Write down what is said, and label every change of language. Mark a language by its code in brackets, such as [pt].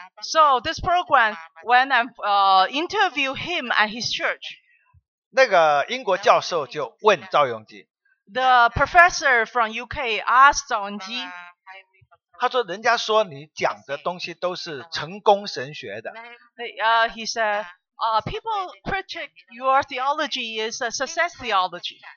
[en] So this program when I interview him and his church. [zh] 那个英国教授就问赵镛基。 [en] The professor from UK asked 赵镛基， [zh] 他说：“人家说你讲的东西都是成功神学的。” [en] He said, people critic your theology is a success theology